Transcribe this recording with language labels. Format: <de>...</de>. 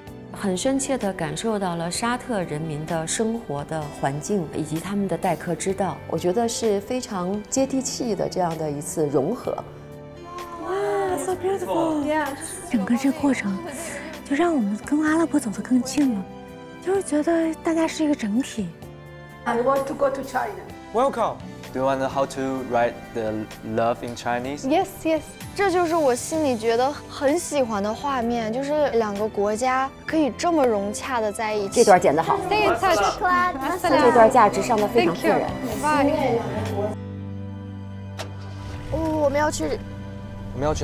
<zh>很深切地感受到了沙特人民的生活的环境以及他们的待客之道，我觉得是非常接地气的这样的一次融合。哇</zh> <en>，so beautiful！ Yeah，</en> <zh>整个这过程就让我们跟阿拉伯走得更近了，就是觉得大家是一个整体。</zh> <en>I want to go to China. Welcome. Do you want to know how to write the love in Chinese? Yes, yes.</en> <zh>这就是我心里觉得很喜欢的画面，就是两个国家可以这么融洽的在一起。这段剪得好。</zh> <en>Stay in touch.</en> <zh>这段价值上的非常自然。</zh> <en>Thank you.</en> <zh>哦，我们要去</zh>